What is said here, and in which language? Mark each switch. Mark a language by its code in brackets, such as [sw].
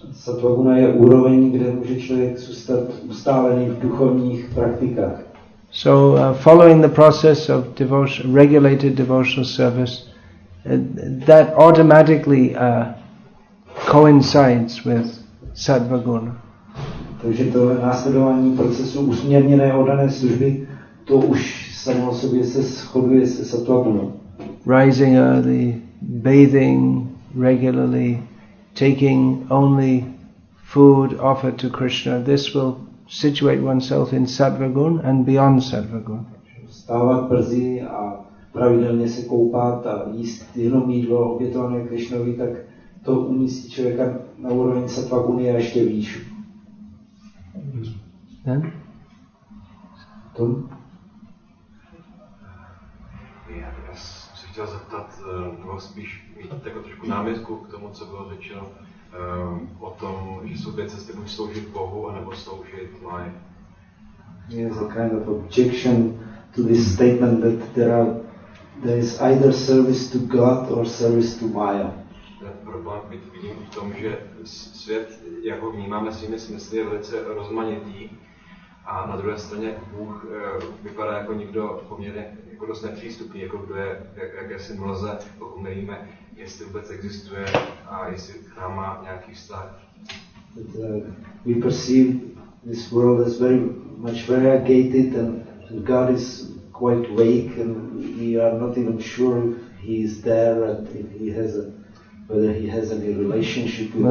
[cs] Sattva guna je úroveň, kde může člověk zůstat ustálený v duchovních praktikách. [en] So following the process of regulated devotional service, that automatically coincides with sattva guna. [cs] Takže to následování procesu usměrněné oddané služby, to už samo sobě se shoduje se sattva gunou. [en] Rising early, bathing regularly, taking only food offered to Krishna, this will situate oneself in sattva guna and beyond sattva guna. [cs] Vstávat brzy a pravidelně se koupat a jíst jenom jídlo obětované Krišnovi, tak to umístí člověka na úroveň sattva guny a ještě výš. Ten? Tom? Já jsem chtěl zeptat, nebo spíš mít takovou trošku námitku k tomu, co bylo řečeno o tom, že jsou dvě cesty, buď sloužit Bohu, anebo sloužit Maji. [en] There's a kind of objection to this statement that there is either service to God or service to Maya. [cs] Ten problém vidím v tom, že svět, jak ho vnímáme svými smysly, je velice rozmanitý a na druhé straně Bůh vypadá jako někdo poměrně jako dost nepřístupný, jako kdo je jakési mlze, pokud nevíme, jestli vůbec existuje a jestli k nám má nějaký vztah. [en] We perceive this world as very much variegated and God is quite vague, and we are not even sure if he is there and if he has whether he has any relationship with us.